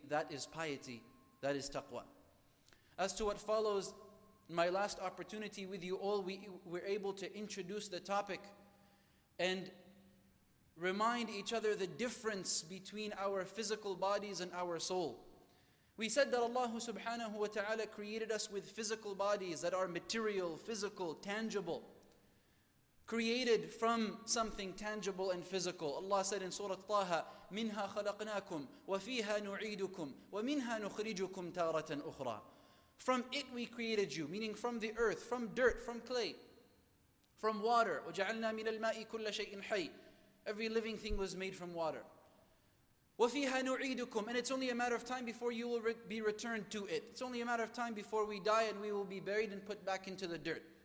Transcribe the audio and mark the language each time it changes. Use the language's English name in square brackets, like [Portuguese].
[English] That is piety, that is taqwa. As to what follows, my last opportunity with you all, we were able to introduce the topic and remind each other the difference between our physical bodies and our soul. We said that Allah subhanahu wa ta'ala created us with physical bodies that are material, physical, tangible. Created from something tangible and physical. [Arabic] Allah said in Surah Taha, مِنْهَا خَلَقْنَاكُمْ وَفِيهَا نُعِيدُكُمْ وَمِنْهَا نُخْرِجُكُمْ تَارَةً أُخْرَى. [English] From it we created you, meaning from the earth, from dirt, from clay, from water. [Arabic] وَجَعَلْنَا مِنَ الْمَاءِ كُلَّ شَيْءٍ حَيٍّ. [English] Every living thing was made from water. [Arabic] وَفِيهَا نُعِيدُكُمْ. [English] And it's only a matter of time before you will be returned to it. It's only a matter of time before we die and we will be buried and put back into the dirt.